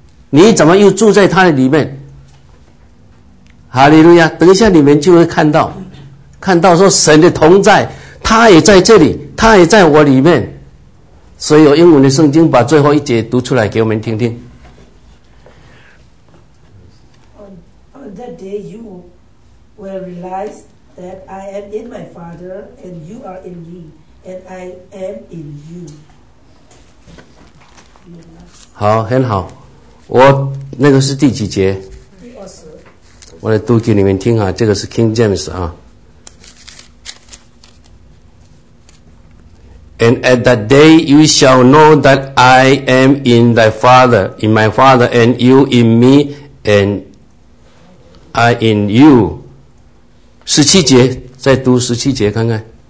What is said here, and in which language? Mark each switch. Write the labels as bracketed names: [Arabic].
[Chinese] 你怎么又住在他的里面？哈利路亚！等一下你们就会看到，看到说神的同在，他也在这里，他也在我里面。所以有英文的圣经把最后一节读出来给我们听听。 [English] On that day you will realize that I am in my Father and you are in me and I am in you. [Chinese] 好，很好。我那个是第几节？我来读给你们听啊，这个是 King James 啊。 [English] And at that day you shall know that I am in thy Father, in my Father, and you in me, and I in you. [Chinese] 十七节，再读十七节看看。